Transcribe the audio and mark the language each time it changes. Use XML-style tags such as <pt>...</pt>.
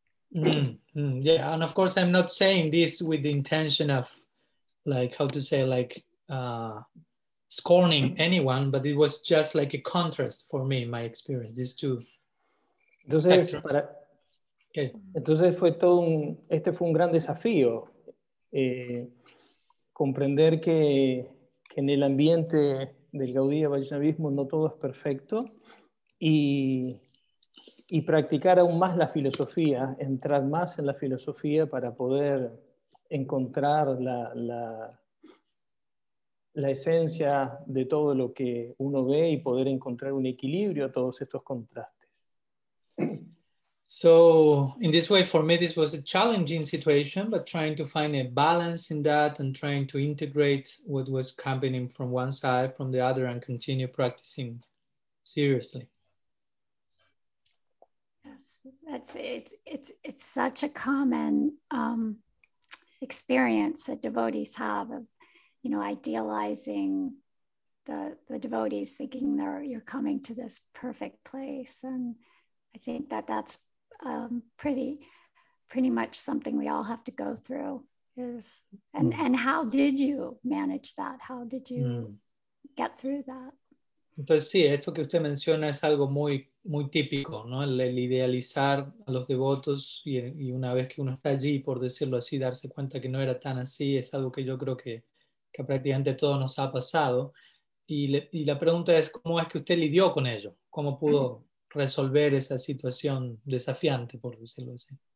<en>Yeah, and of course I'm not saying this with the intention of like how to say like scorning anyone, but it was just like a contrast for me, my experience, these two</en> <es>Entonces,</es> <en>spectrums.</en> <es>fue todo un, este fue un gran desafío, comprender que en el ambiente del Gaudiya Vaishnavismo no todo es perfecto y practicar aún más la filosofía, entrar más en la filosofía para poder encontrar la esencia de todo lo que uno ve y poder encontrar un equilibrio a todos estos contrastes.</es> <en>So in this way, for me, this was a challenging situation, but trying to find a balance in that and trying to integrate what was happening from one side, from the other, and continue practicing seriously. That's it. It's such a common experience that devotees have of, you know, idealizing the devotees, thinking they're you're coming to this perfect place. And I think that that's pretty much something we all have to go through is, and how did you manage that? How did you get through that?</en> <es>Entonces sí, esto que usted menciona es algo muy, muy típico, ¿no? El idealizar a los devotos y una vez que uno está allí, por decirlo así, darse cuenta que no era tan así, es algo que yo creo que prácticamente todo nos ha pasado. Y la pregunta es, ¿cómo es que usted lidió con ello? ¿Cómo pudo resolver esa situación desafiante, por decirlo así?</es>